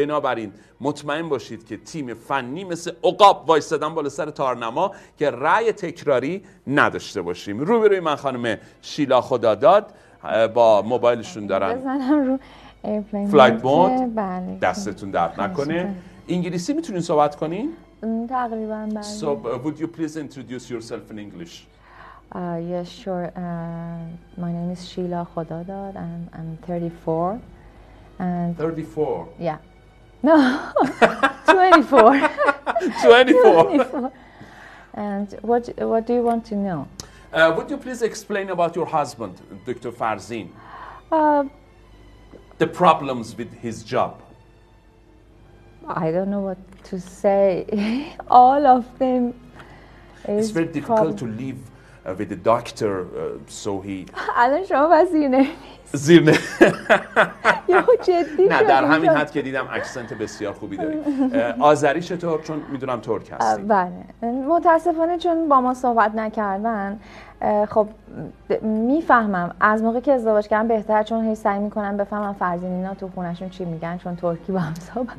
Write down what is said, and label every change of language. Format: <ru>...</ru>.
<fa>بنابراین مطمئن باشید که تیم فنی مثل عقاب وایستادن بالا سر تارنما که رأی تکراری نداشته باشیم. روبروی من خانم شیلا خداداد با موبایلشون دارن بزنم رو فلایت مود. بله. دستتون درد نکنه. انگلیسی میتونین صحبت کنین؟ تقریبا بله.</fa> <en>So, would you please introduce yourself in English? Yes, sure. My name is Sheila Khodadad and I'm 34. And 34. Yeah. No. 24. 24. And what do you want to know? Would you please explain about your husband, Dr. Farzin? The problems with his job. I don't know what to say. All of them is it's very difficult to live with a doctor, so he</en> <fa>الان شما وزینه زینه یهو جدی نه در همین حد که دیدم اکسنت بسیار خوبی داری. آذری چطور؟ چون میدونم ترک هستی. بله متاسفانه چون با ما صحبت نکردن خب میفهمم از موقع که ازدواج کردم بهتر، چون هی سعی میکنم بفهمم فرزین اینا تو خونهشون چی میگن، چون ترکی با هم صحبت.</fa>